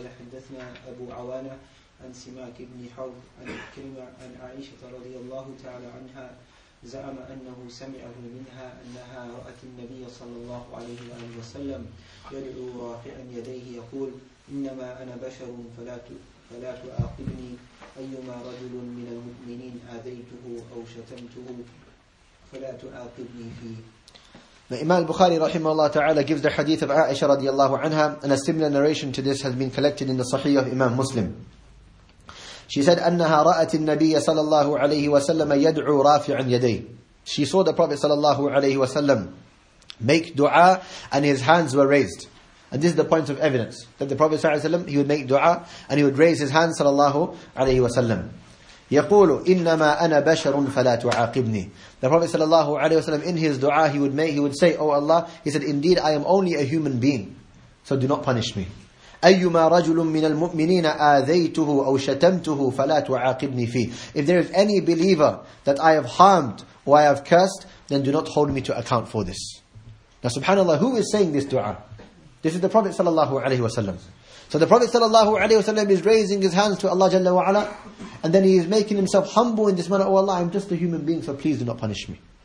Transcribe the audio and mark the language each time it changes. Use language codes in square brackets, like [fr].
[ar] عن سماك بن حوض عن عكرمة عن عائشة رضي الله تعالى عنها زعم أنه سمعه منها أنها رأت النبي صلى الله عليه وآله وسلم يدعو رافعا يديه يقول إنما أنا بشر فلا تعاقبني أيما رجل من المؤمنين آذيته أو شتمته فلا تعاقبني فيه. [en] The Imam al-Bukhari rahimahullah ta'ala gives the hadith of Aisha radiallahu anha, and a similar narration to this has been collected in the Sahih of Imam Muslim. She said, [ar] أنها رأت النبي صلى الله عليه وسلم يدعو رافعا يديه. [en] She saw the Prophet صلى الله عليه وسلم make dua and his hands were raised. And this is the point of evidence that the Prophet صلى الله عليه وسلم, he would make dua and he would raise his hands صلى الله عليه وسلم. [ar] يقول إنما أنا بشر فلا تعاقبني. [en] The Prophet صلى الله عليه وسلم in his dua he would say, Oh Allah, he said, indeed I am only a human being, so do not punish me. [ar] أيما رجل من المؤمنين آذيته أو شتمته فلا تعاقبني فيه. [en] If there is any believer that I have harmed or I have cursed, then do not hold me to account for this. Now subhanAllah, who is saying this dua? This is the Prophet sallallahu alayhi wa sallam. So the Prophet sallallahu alayhi wa sallam is raising his hands to Allah jalla wa ala, and then he is making himself humble in this manner. Oh Allah, I'm just a human being, so please do not punish me.